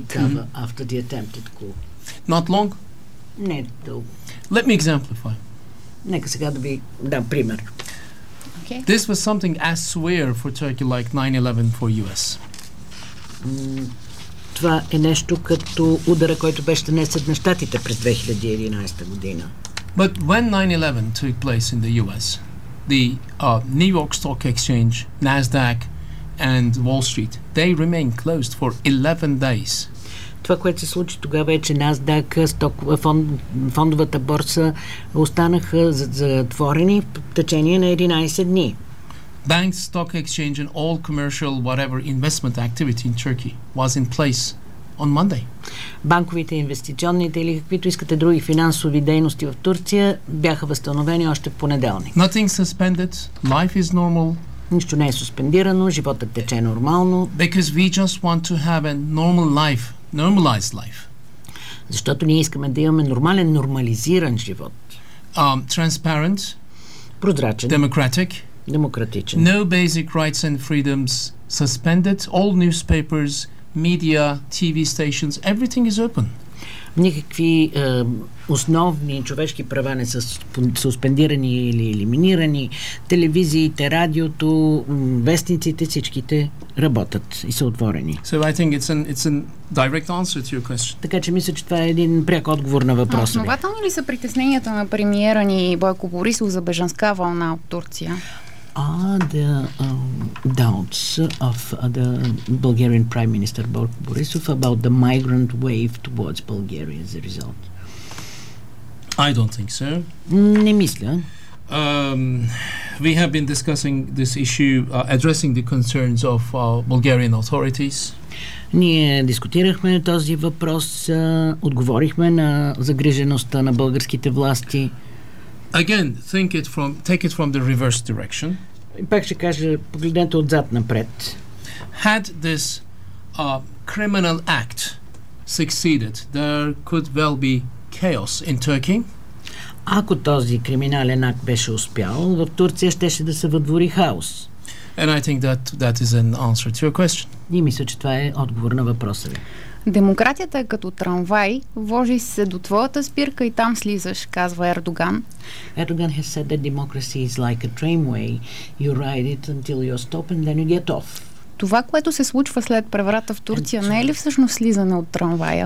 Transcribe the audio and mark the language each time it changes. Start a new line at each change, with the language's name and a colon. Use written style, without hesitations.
English: After the attempted coup? Not long?
Bulgarian: Не дълго.
English: Let me exemplify.
Bulgarian: Нека сега да ви дам пример.
English: Okay. This was something as severe for Turkey like 9/11 for US.
Bulgarian: Това е нещо като удара, който беше нанесен на щатите през 2011 година.
English: But when 9/11 took place in the US, the New York Stock Exchange, Nasdaq and Wall Street, they remained closed for 11 days.
Bulgarian: Това, което се случи тогава, е, че Nasdaq, фондовата борса, останаха затворени в течение на 11 дни.
English: Banks, stock exchange and all commercial whatever investment activity in Turkey was in place on Monday.
Bulgarian: Банковите, инвестиционните или каквито искате други финансови дейности в Турция бяха възстановени още в понеделник.
English: Nothing suspended, life is normal.
Bulgarian: Нищо не е суспендирано, животът тече нормално.
English: Because we just want to have a normal life, normalized life.
Bulgarian: Защото ние искаме да имаме нормален, нормализиран живот.
English: Transparent.
Bulgarian: Прозрачен.
English: Democratic.
Bulgarian: Демократичен.
English: No basic rights and freedoms suspended. All newspapers, media, TV stations, everything is open.
Bulgarian: Никакви основни човешки права не са суспендирани или елиминирани. Телевизиите, радиото, вестниците, всичките работят и са отворени.
English: So I think it's an direct answer to your question.
Bulgarian: Така че мисля, че това е един пряк отговор на въпроса. Основателни ли са притесненията на премиера ни Бойко Борисов за бежанска вълна от Турция?
English: Are the doubts of the Bulgarian Prime Minister Borisov about the migrant wave towards Bulgaria as a result? I don't think so.
Bulgarian: Не мисля.
English: We have been discussing this issue, addressing the concerns of Bulgarian authorities.
Bulgarian: Ние дискутирахме този въпрос, отговорихме на загрижеността на българските власти.
English: Again, think it from, take it from the reverse direction.
Bulgarian: И пак ще кажа, погледнете отзад напред.
English: Had this criminal act succeeded, there could well be chaos in Turkey.
Bulgarian: Ако този криминален акт беше успял, в Турция щеше да се въдвори хаос.
English: And I think that is an answer to your question.
Bulgarian: И мисля, че това е отговор на въпроса ви. Демократията е като трамвай, вожи се до твоята спирка и там слизаш, казва Ердоган.
English: Ердоган has said that democracy is like a tramway. You ride it until you stop and then you get off.
Bulgarian: Това, което се случва след преврата в Турция, не е ли всъщност слизане от трамвая?